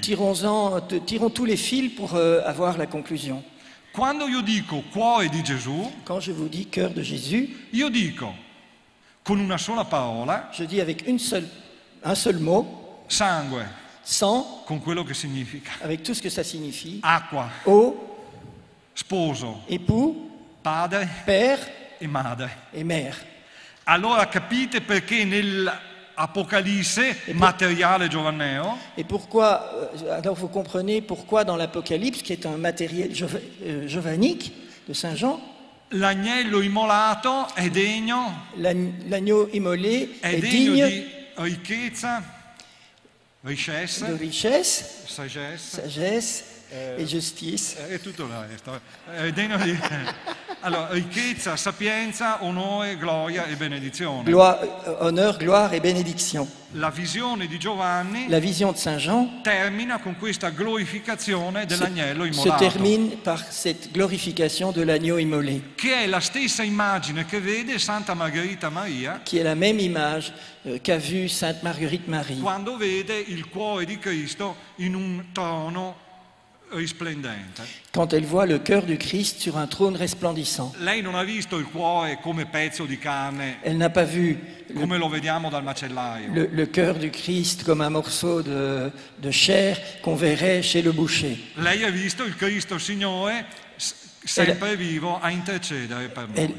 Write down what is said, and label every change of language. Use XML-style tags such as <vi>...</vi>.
<fr>Tirons tous les fils pour avoir la conclusion.</fr> <it>Quando io dico cuore di Gesù,</it> <fr>quand je vous dis cœur de Jésus,</fr> <it>io dico con una sola parola,</it> <fr>je dis avec un seul mot,</fr> <it>sangue,</it> <fr>sang,</fr> <it>con quello che significa,</it> <fr>avec tout ce que ça signifie,</fr> <it>acqua,</it> <fr>eau,</fr> <it>sposo,</it> <fr>époux,</fr> <it>padre,</it> <fr>père,</fr> <it>e madre,</it> <fr>e mère.</fr> <it>Allora capite perché nell'Apocalisse</it> <fr>matériel</fr> <it>giovanneo.</it> <fr>Et pourquoi, alors vous comprenez pourquoi dans l'Apocalypse, qui est un matériel giovannique de Saint Jean,</fr> <it>l'agnello immolato è degno.</it> <fr>L'agneau immolé est digne</fr> <it>di ricchezza,</it> <fr>richesse, de richesse, sagesse et justice.</fr> <it>È tutto là, è degno di. Allora, ricchezza, sapienza, onore, gloria e benedizione. Onore,</it> <fr>gloire et bénédiction.</fr> <it>La visione di Giovanni.</it> <fr>La vision de Saint Jean.</fr> <it>Termina con questa glorificazione dell'agnello immolato.</it> <fr>Se termine par cette glorification de l'agneau immolé.</fr> <it>Che è la stessa immagine che vede Santa Margherita Maria.</it> <fr>Qui est la même image qu'a vu Sainte Marguerite Marie.</fr> <it>Quando vede il cuore di Cristo in un trono. Risplendente.</it> <fr>Quand elle voit le cœur du Christ sur un trône resplendissant.</fr> <it>Lei non ha visto il cuore come pezzo di carne.</it> <fr>Elle n'a pas vu.</fr> <it>Come lo vediamo dal macellaio.</it> <fr>Le cœur du Christ comme un morceau de chair qu'on verrait chez le boucher.</fr> <it>Lei ha visto il Cristo Signore sempre vivo a intercedere per noi.</it>